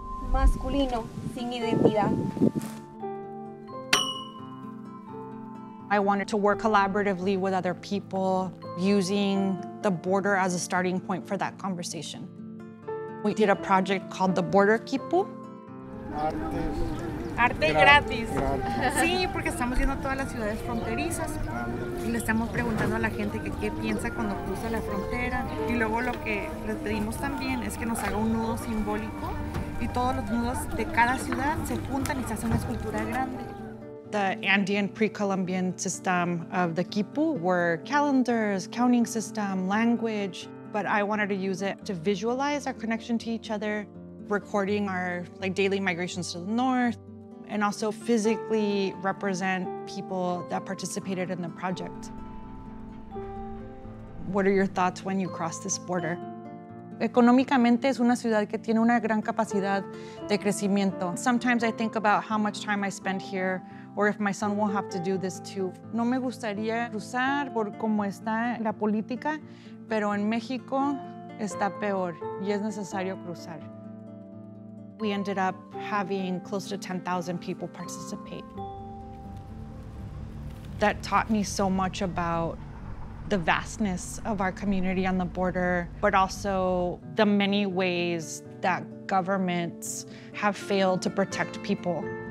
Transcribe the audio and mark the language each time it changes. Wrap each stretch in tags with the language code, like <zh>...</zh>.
<es>Masculino, sin identidad.</es> <en>I wanted to work collaboratively with other people, using the border as a starting point for that conversation. We did a project called the Border Quipu.</en> <es>Arte gratis. Sí, porque estamos viendo todas las ciudades fronterizas y le estamos preguntando a la gente que qué piensa cuando cruza la frontera. Y luego lo que le pedimos también es que nos haga un nudo simbólico y todos los nudos de cada ciudad se juntan y se hace una escultura grande.</es> <en>The Andean pre-Columbian system of the Quipu were calendars, counting system, language, but I wanted to use it to visualize our connection to each other, recording our like daily migrations to the north, and also physically represent people that participated in the project. What are your thoughts when you cross this border?</en> <es>Económicamente es una ciudad que tiene una gran capacidad de crecimiento.</es> <en>Sometimes I think about how much time I spend here, or if my son will have to do this too.</en> <es>No me gustaría cruzar por cómo está la política, pero en México está peor y es necesario cruzar.</es> <en>We ended up having close to 10,000 people participate. That taught me so much about the vastness of our community on the border, but also the many ways that governments have failed to protect people.</en>